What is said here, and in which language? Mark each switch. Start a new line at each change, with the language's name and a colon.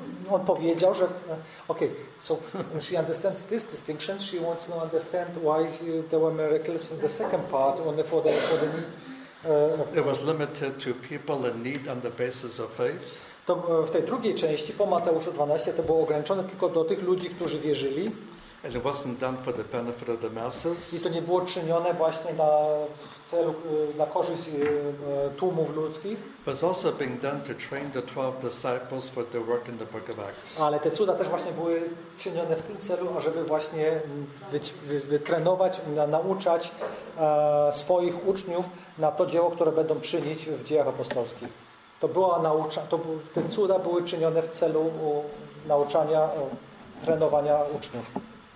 Polish: On powiedział, że
English: okay, so she understands this distinction. She wants to understand why there were miracles in the second part only for the need. It was limited to people in need on the basis of faith.
Polish: To w tej drugiej części po Mateuszu 12 to było ograniczone tylko do tych ludzi, którzy wierzyli.
English: And it wasn't done for the benefit of the masses.
Polish: I to nie było czynione właśnie na celu, na korzyść tłumów ludzkich.
English: Was also being done to train the 12 disciples for their work in the Book of Acts.
Polish: Ale te cuda też właśnie były czynione w tym celu, ażeby właśnie wytrenować, nauczać swoich uczniów na to dzieło, które będą czynić w Dziejach Apostolskich. To była naucza, te cuda były czynione w celu nauczania, trenowania uczniów.